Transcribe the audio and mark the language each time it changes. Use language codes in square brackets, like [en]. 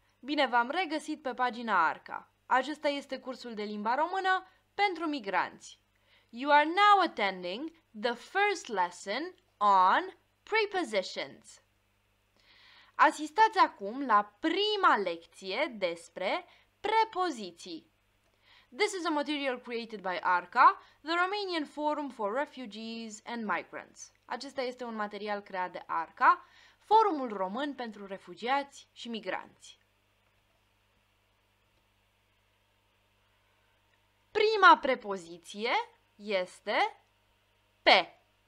[ro] Bine v-am regăsit pe pagina Arca. Acesta este cursul de limba română pentru migranți. [en] You are now attending the first lesson on prepositions. [ro] Asistați acum la prima lecție despre prepoziții. [en] This is a material created by ARCA, the Romanian Forum for Refugees and Migrants. [ro] Acesta este un material creat de ARCA, Forumul Român pentru Refugiați și Migranți. Prima prepoziție este pe.